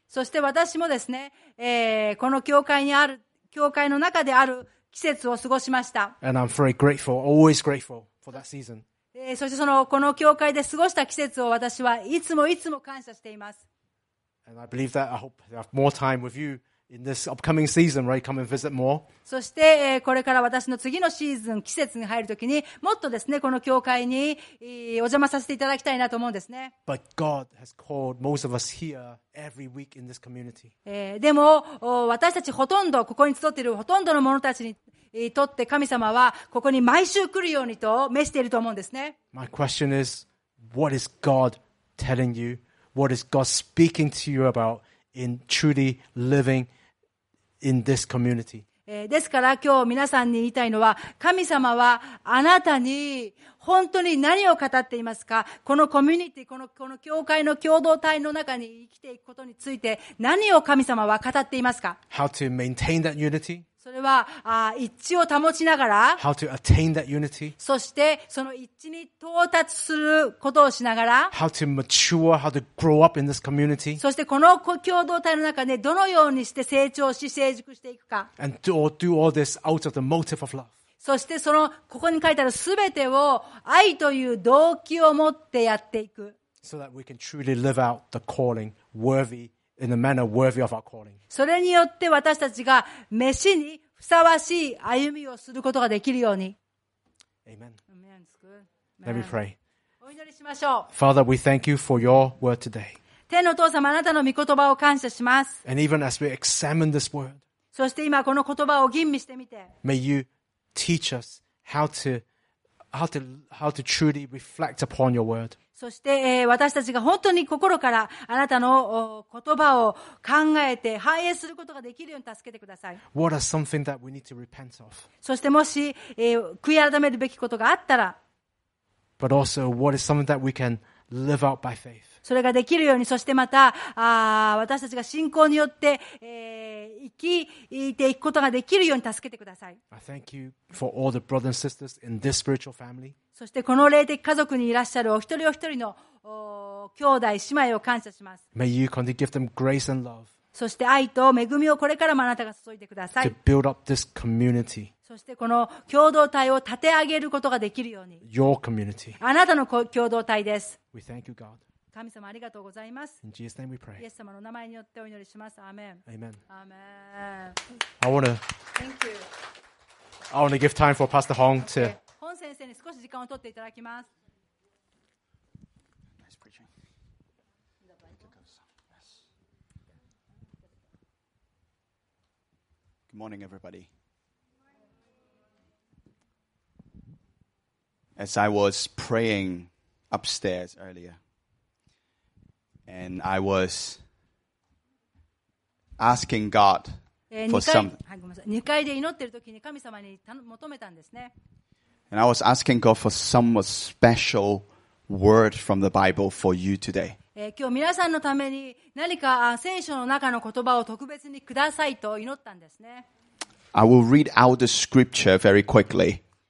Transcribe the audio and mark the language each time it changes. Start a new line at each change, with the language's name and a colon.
Japanese: そして私もですね、この教会にある、教会の中である季節を過ごしました。
English: And I'm very grateful, always grateful for that season.
Japanese: そしてその、この教会で過ごした季節を私はいつもいつも感謝しています。
English: And I believe that I hope to have more time with you. In this upcoming season, right? Come and visit more.
Japanese: そして、これから私の次のシーズン、季節に入るときにもっとですね、この教会に、お邪魔させていただきたいなと思うんですね。
English: But God has called most of us here every week in this community.
Japanese: でも、私たちほとんど、ここに集っているほとんどの者たちにとって神様はここに毎週来るようにと召していると思うんですね。
English: My question is, what is God telling you? What is God speaking to you about? In truly living in this community.
Japanese: ですから今日皆さんに言いたいのは、神様はあなたに本当に何を語っていますか。このコミュニティ、この教会の共同体の中に生きていくことについて何を神様は語っていますか。
English: How to maintain that unity?
Japanese: それは一致を保ちながら、
English: How to attain that unity?
Japanese: そしてその一致に到達することをしながら、
English: How to mature, how to grow up in this community?
Japanese: そしてこの共同体の中でどのようにして成長し成熟していくか。
English: And do all this out of the motive of love.
Japanese: そしてそのここに書いてあるすべてを愛という動機を持ってやっていく。
English: So that we can truly live out the calling worthy in a manner worthy of our calling.
Japanese: それによって私たちが召にふさわしい歩みをすることができるように。
English: Amen. Amen. Let me pray.
Japanese: お祈りしましょう。
English: Father, we thank you for your word today.
Japanese: 天のお父様、あなたの御言葉を感謝します。
English: And even as we examine this word,
Japanese: そして今この言葉を吟味してみて。
English: May youteach us how to truly reflect upon your word.
Japanese: そして、私たちが本当に心からあなたの言葉を考えて反映することができるように助けてください。
English: What are something that we need to repent of?
Japanese: そしてもし、悔い改めるべきことがあったら。
English: But also, what is something that we can live out by faith?
Japanese: それができるように、そしてまた、私たちが信仰によって、生きていくことができるように助けてください。
English: I thank you for all the brothers and sisters in this spiritual family.
Japanese: そしてこの霊的家族にいらっしゃるお一人お一人の兄弟姉妹を感謝します。
English: May you continue to give them grace and love.
Japanese: そして愛と恵みをこれからもあなたが注いでください。
English: To build up this community.
Japanese: そしてこの共同体を立て上げることができるように。
English: Your community.
Japanese: あなたの共同体です。
English: We thank you, God.
Japanese: 神様ありがとうございます。
English: In Jesus' name we pray.
Japanese: イエス様の名前によってお祈りします。アーメン。
English: Amen. Amen. I want to. Thank you. I want to give time for Pastor Hong to.
Japanese: 本先生に少し時間を取っていただきます。
English: Nice preaching. Yes. Good morning, everybody. As I was praying upstairs earlier. And I was asking God for something.
Japanese: 2階で祈ってる時に神様に求めたんですね。
English: And I was asking God for some special word from the Bible for you today.
Japanese: 今日皆さんのために何か聖書の中の言葉を特別にくださいと祈ったんですね。
English: I will read out the scripture very quickly.